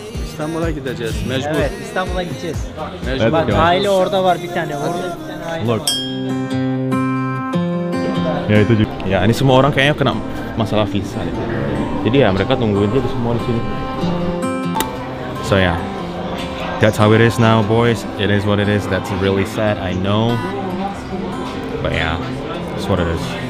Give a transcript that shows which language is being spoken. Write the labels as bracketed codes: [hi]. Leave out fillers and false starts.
[tr] İstanbul'a gideceğiz, mecbur. Evet, İstanbul'a gideceğiz. Mecbur. Bak, evet, aile orada var bir tane. Orada bir tane aile [en] Look. [tr] Var. [id] Ya itu juga. Ya ini semua orang kayaknya kena masalah visa deh. Jadi ya mereka tungguin dia semua di sini. [en] So yeah, that's how it is now, boys. It is what it is. That's really sad. I know. But yeah, that's what it is.